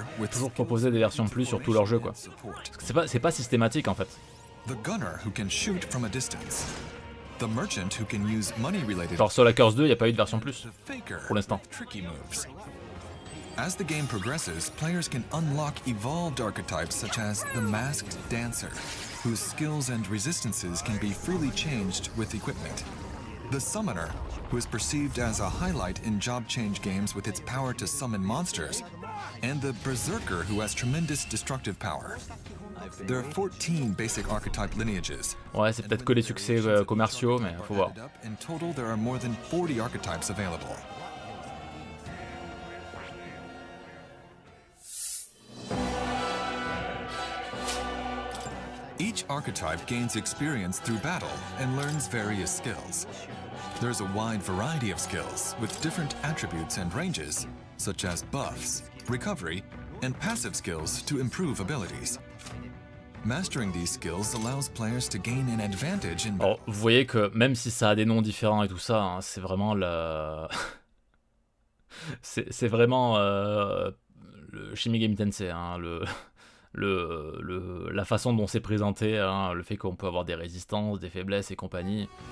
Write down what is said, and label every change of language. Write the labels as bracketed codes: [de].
[fr] toujours proposer des versions plus sur tous leurs jeux, quoi. C'est pas systématique, en fait. Genre, sur Soul Hackers 2, il n'y a pas eu de version plus, pour l'instant. [en] As the game progresses, players can unlock evolved archetypes such as the Masked Dancer, whose skills and resistances can be freely changed with equipment. The Summoner, who is perceived as a highlight in job change games with its power to summon monsters, and the Berserker, who has tremendous destructive power. There are 14 basic archetype lineages. [fr] Ouais, c'est peut-être que les succès commerciaux, mais faut voir. [en] In total, there are more than 40 archetypes available. Each archetype gains experience through battle and learns various skills. There's a wide variety of skills with different attributes and ranges, such as buffs, recovery, and passive skills to improve abilities. Mastering these skills allows players to gain an advantage in... [fr] Alors, vous voyez que même si ça a des noms différents et tout ça, hein, c'est vraiment le... c'est vraiment le Shin Megami Tensei, hein, la façon dont c'est présenté, hein, le fait qu'on peut avoir des résistances, des faiblesses et compagnie.